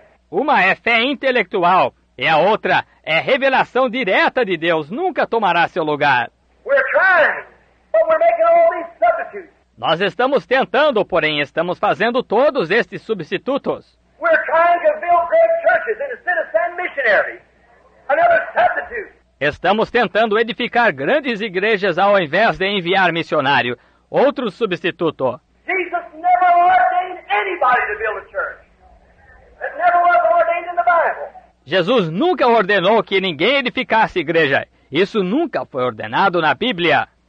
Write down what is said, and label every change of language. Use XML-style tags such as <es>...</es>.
<pt>Uma é fé intelectual. E a outra é revelação direta de Deus, nunca tomará seu lugar.</pt> <en>We're trying, but we're making all these substitutes.</en> <pt>Nós estamos tentando, porém estamos fazendo todos estes substitutos.</pt> <en>We're trying to build great churches instead of send missionaries. Another substitute.</en> <pt>Estamos tentando edificar grandes igrejas ao invés de enviar missionário. Outro substituto.</pt> <en>Jesus never ordained anybody to build a church. It never was ordained in the Bible.</en> <pt>Jesus nunca ordenou que ninguém edificasse igreja. Isso nunca foi ordenado na Bíblia.</pt>